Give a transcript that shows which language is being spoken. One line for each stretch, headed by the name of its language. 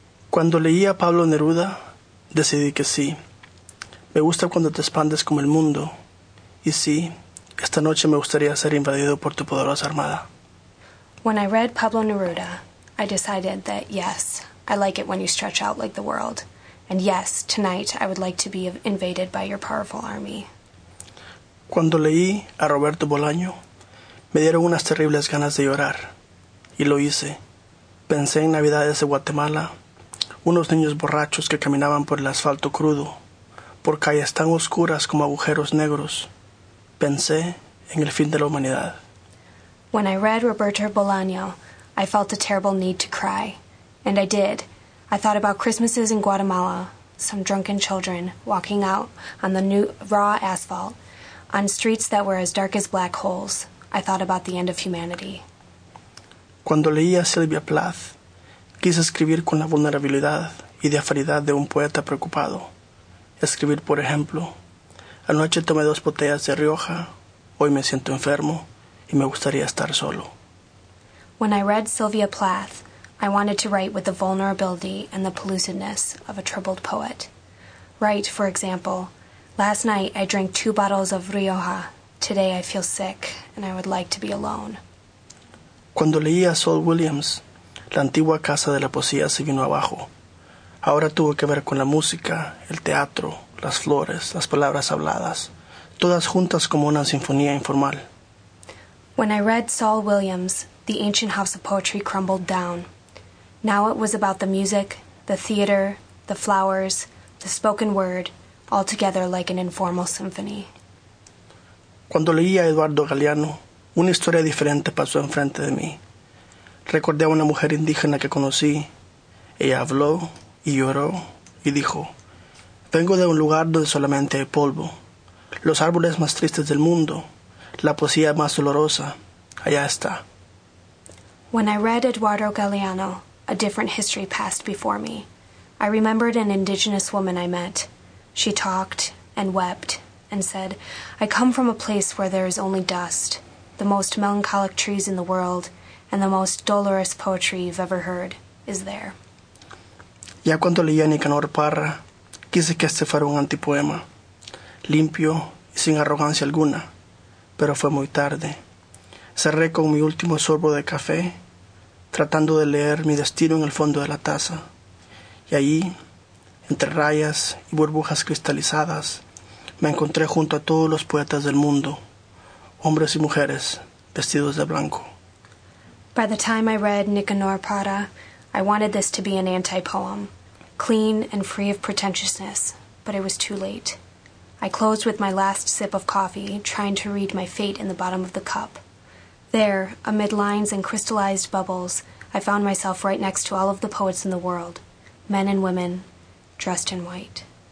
Spanish: Cuando leí a Pablo Neruda, decidí que sí. Me gusta cuando te expandes como el mundo. Y sí, esta noche me gustaría ser invadido por tu poderosa armada.
English: When I read Pablo Neruda, I decided that yes, I like it when you stretch out like the world. And yes, tonight I would like to be invaded by your powerful army.
Spanish: Cuando leí a Roberto Bolaño, me dieron unas terribles ganas de llorar. Y lo hice. Pensé en Navidades de Guatemala, unos niños borrachos que caminaban por el asfalto crudo, por calles tan oscuras como agujeros negros. Pensé en el fin de la humanidad.
English: When I read Roberto Bolaño, I felt a terrible need to cry. And I did. I thought about Christmases in Guatemala, some drunken children walking out on the new raw asphalt, on streets that were as dark as black holes. I thought about the end of humanity.
Spanish: Cuando leí a Sylvia Plath, quise escribir con la vulnerabilidad y diafanidad de un poeta preocupado. Escribir, por ejemplo, anoche tomé dos botellas de Rioja, hoy me siento enfermo y me gustaría estar solo.
English: When I read Sylvia Plath, I wanted to write with the vulnerability and the pellucidness of a troubled poet. Write, for example, last night I drank two bottles of Rioja, today I feel sick and I would like to be alone.
Spanish: Cuando leí a Saul Williams, la antigua casa de la poesía se vino abajo. Ahora tuvo que ver con la música, el teatro, las flores, las palabras habladas, todas juntas como una sinfonía informal.
English: When I read Saul Williams, the ancient house of poetry crumbled down. Now it was about the music, the theater, the flowers, the spoken word, all together like an informal symphony.
Spanish: Cuando leí a Eduardo Galeano, una historia diferente pasó enfrente de mí. Recordé a una mujer indígena que conocí. Ella habló y lloró y dijo, vengo de un lugar donde solamente hay polvo, los árboles más tristes del mundo, la poesía más dolorosa, allá está.
English: When I read Eduardo Galeano, a different history passed before me. I remembered an indigenous woman I met. She talked and wept and said, I come from a place where there is only dust, the most melancholic trees in the world, and the most dolorous poetry you've ever heard is there.
Spanish: Ya cuando leí a Nicanor Parra, quise que este fuera un antipoema, limpio y sin arrogancia alguna, pero fue muy tarde. Cerré con mi último sorbo de café, tratando de leer mi destino en el fondo de la taza. Y allí, entre rayas y burbujas cristalizadas, me encontré junto a todos los poetas del mundo, hombres y mujeres vestidos de blanco.
English: By the time I read Nicanor Parra, I wanted this to be an anti-poem, clean and free of pretentiousness, but it was too late. I closed with my last sip of coffee, trying to read my fate in the bottom of the cup. There, amid lines and crystallized bubbles, I found myself right next to all of the poets in the world, men and women, dressed in white.